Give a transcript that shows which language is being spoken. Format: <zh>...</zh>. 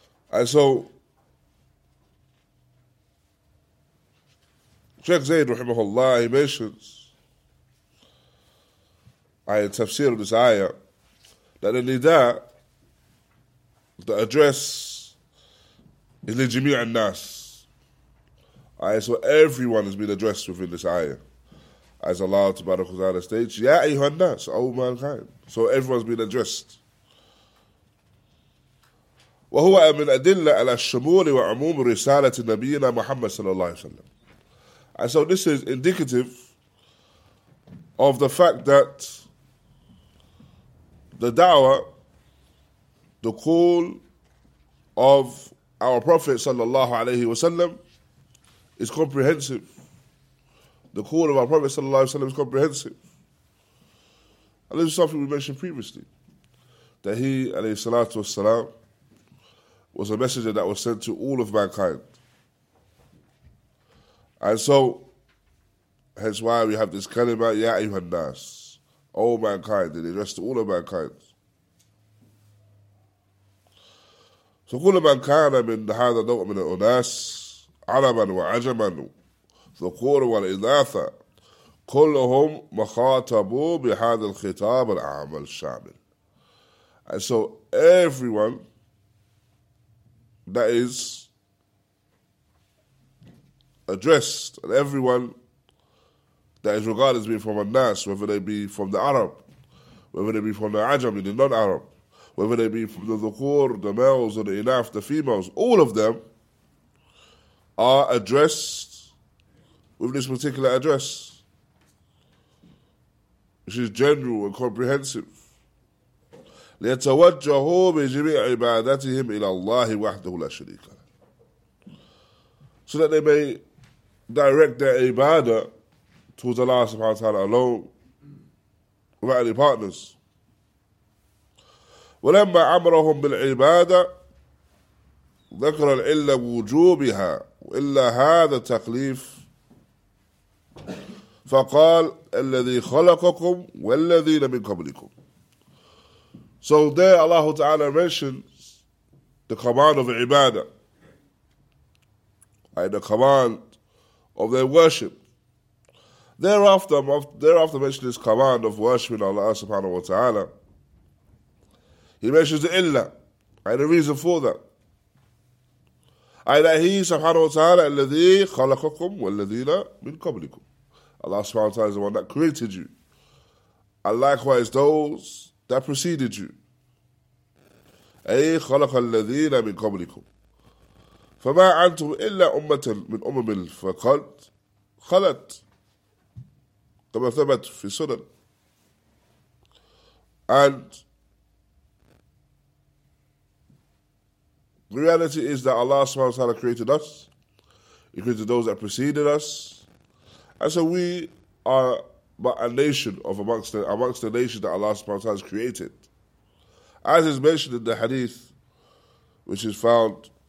<en>And so, Sheikh Zayd, rahimahullah, he mentions, in tafsir of this ayah, that the nida, the address, is li jami' al-nas. So everyone has been addressed within this ayah. As Allah tabarak wa ta'ala states, ya ayyuhan nas, O mankind. So everyone's been addressed.</en> <ar>وهو من أدلة على الشمول وعموم رسالة نبينا محمد صلى الله عليه وسلم.</ar> <en>And so this is indicative of the fact that the da'wah, the call of our Prophet صلى الله عليه وسلم is comprehensive. The call of our Prophet صلى الله عليه وسلم is comprehensive. And this is something we mentioned previously, that he عليه الصلاة والسلام was a messenger that was sent to all of mankind. And so, hence why we have this kalima, Ya Ayyuhan Nas, all mankind, and addressed to all of mankind.</en> <ar>So, كل من كان من هذا النوع من الناس عربا وعجما ذكورا والإناثا كلهم مخاطبوا بهذا الخطاب العام الشامل.</ar> <en>And so, everyone that is addressed, and everyone that is regarded as being from a nas, whether they be from the Arab, whether they be from the Ajami, the non-Arab, whether they be from the dhukur, the males, or the inaf, the females, all of them are addressed with this particular address, which is general and comprehensive.</en> <ar>ليتوجهوا بجميع عبادتهم إلى الله وحده لا شريك له.</ar> <en>So that they may direct their ibadah towards Allah subhanahu wa ta'ala alone, without any partners.</en> <ar>ولما أمرهم بالعبادة ذكر العلة وجوبها وإلا هذا التخليف فقال الذي خلقكم والذين من قبلكم.</ar> <en>So there Allah Ta'ala mentions the command of ibadah, right, the command of their worship. Thereafter mentioning this command of worshiping Allah Subhanahu Wa Ta'ala, he mentions the illa, right, the reason for that. That he</en> <ar>Subhanahu Wa Ta'ala, الَّذِي خَلَقَكُمْ وَالَّذِينَ مِنْ قَبْلِكُمْ.</ar> <en>Allah Subhanahu Wa Ta'ala is the one that created you, and likewise those that preceded you.</en> <ar>أي خلق الذين من قبلكم فما أنتم إلا أمة من أمم فقد خلت كما ثبت في السنن.</ar> <en>And the reality is that Allah subhanahu wa ta'ala created us, He created those that preceded us, and so we are but a nation of amongst the nations that Allah subhanahu wa ta'ala has created. As is mentioned in the hadith, which is found</en>